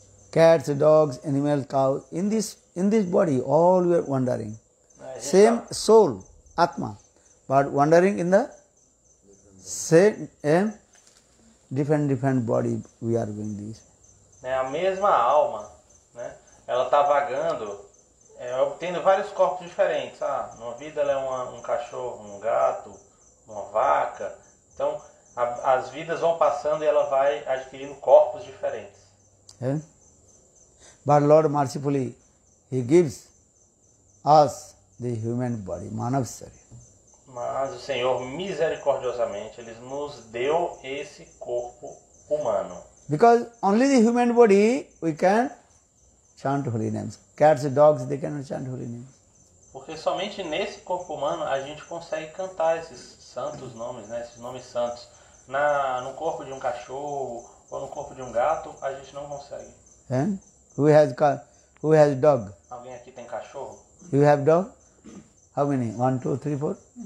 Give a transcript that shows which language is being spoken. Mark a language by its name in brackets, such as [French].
[English] Cats, dogs, animals, cows, in this body, all we are wandering. Same soul, Atma, but wandering in the same different body we are going this. [Portuguese] A mesma alma, né? Ela está vagando, obtendo vários corpos diferentes. Ah, numa vida ela é um cachorro, um gato, uma vaca. Então, as vidas vão passando e ela vai adquirindo corpos diferentes. [English] But Lord mercifully, He gives us the human body, Manav Sarira. [Portuguese] Mas o Senhor, misericordiosamente, Ele nos deu esse corpo humano. [English] Because only the human body we can chant holy names. Cats, dogs, they cannot chant holy names. [Portuguese] Porque somente nesse corpo humano a gente consegue cantar esses santos nomes, né? Esses nomes santos. No corpo de um cachorro, ou no corpo de um gato, a gente não consegue. [English] Yeah? Who has dog? [Portuguese] Alguém aqui tem cachorro? [English] You have dog? How many? 1, 2, 3, 4?